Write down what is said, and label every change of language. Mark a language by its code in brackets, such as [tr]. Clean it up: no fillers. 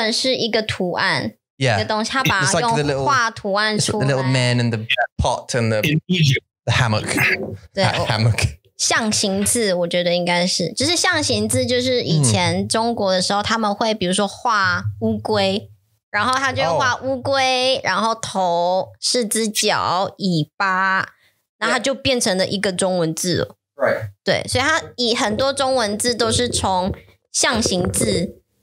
[zh] 就是它原本是一个图案, [en] yeah. [zh] 一个东西, 它把它用画图案出来, [en] it's like the little man and the pot and the hammock. [zh] 对, [en] hammock. [zh] 象形字, 我觉得应该是, 就是象形字, 就是以前中国的时候, 他们会, 比如说画, 乌龟, 然后他就会画乌龟, 然后头, 四只脚, 尾巴, 然后他就变成了一个中文字, 对, 所以他以很多中文字都是从象形字,